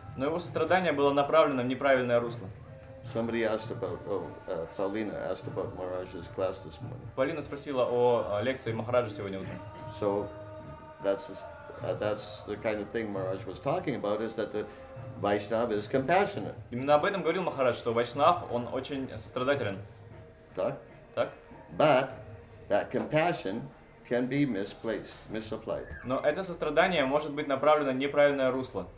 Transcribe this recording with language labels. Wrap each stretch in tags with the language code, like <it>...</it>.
<ru>Но его сострадание было направлено в неправильное русло.</ru> <en>Somebody asked about, Paulina asked about Maharaj's class this morning.</en> <ru>Полина спросила о лекции Махараджа сегодня утром.</ru> <en>So, that's the kind of thing Maharaj was talking about, is that the Vaishnav is compassionate.</en> <ru>Именно об этом говорил Махарадж, что Вайшнав, он очень сострадателен. Так? Так.</ru> <en>But, that compassion can be misplaced, misapplied.</en> <ru>Но это сострадание может быть направлено в неправильное русло.</ru>